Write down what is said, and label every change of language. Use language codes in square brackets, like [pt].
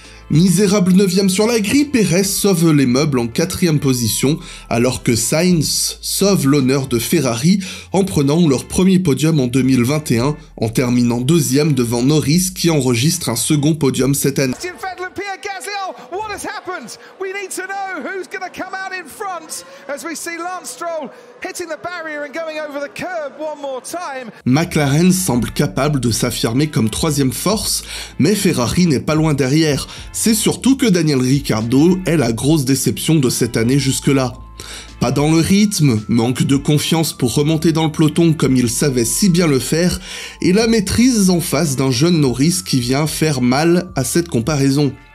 [fr] Misérable 9ème sur la grille, Pérez sauve les meubles en 4ème position, alors que Sainz sauve l'honneur de Ferrari en prenant leur premier podium en 2021, en terminant 2ème devant Norris qui enregistre un second podium cette année. [en] Sébastien Vettel et Pierre Gasly, what has happened? We need to know who's going to come out in front as we see Lance Stroll hitting the barrier and going over the curb one more time. [fr] McLaren semble capable de s'affirmer comme 3ème force, mais Ferrari n'est pas loin derrière. C'est surtout que Daniel Ricciardo est la grosse déception de cette année jusque-là. Pas dans le rythme, manque de confiance pour remonter dans le peloton comme il savait si bien le faire, et la maîtrise en face d'un jeune Norris qui vient faire mal à cette comparaison.